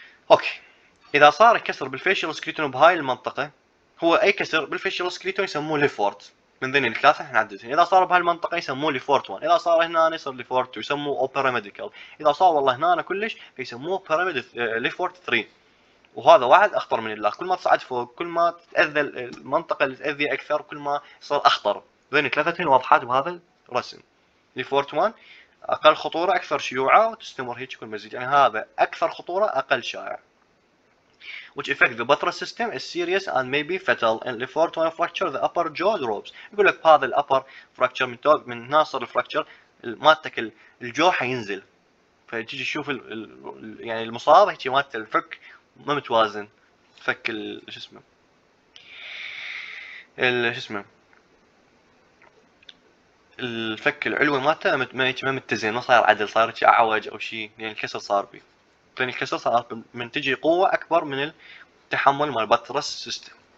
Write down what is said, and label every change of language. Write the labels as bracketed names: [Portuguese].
[Arabic] اوكي اذا صار كسر بالفيشيال سكليتون بهاي المنطقه هو اي كسر بالفيشل سكليتون يسموه ليفورت، من ذني الثلاثه احنا عددتهم، اذا صار بهالمنطقه يسموه ليفورت 1، اذا صار هنا يصير ليفورت 2 يسموه اوبراميديكال، اذا صار والله هنا كلش يسموه بيراميد ليفورت 3، وهذا واحد اخطر من الاخر، كل ما تصعد فوق كل ما تتاذى المنطقه اللي تاذي اكثر كل ما يصير اخطر، ذن ثلاثتين واضحات بهذا الرسم. ليفورت 1 اقل خطوره اكثر شيوعه وتستمر هيك كل مزيد، يعني هذا اكثر خطوره اقل شائع. [English] which affect the buttress system is serious and may be fatal and Lefort 1 fracture the upper jaw drops. [Arabic] يقول لك بهذا الابر فراكشر من توب من ناصر الفراكشر مالتك الجو حينزل، فتجي تشوف يعني المصاب هيك مالت الفك ما متوازن، فك شو اسمه شو اسمه الفك العلوي مالته ما متزن ما صاير عدل صاير اعوج او شيء، يعني الكسر صار فيه، لان الكسر صار من تجي قوه اكبر من التحمل مال البترس سيستم.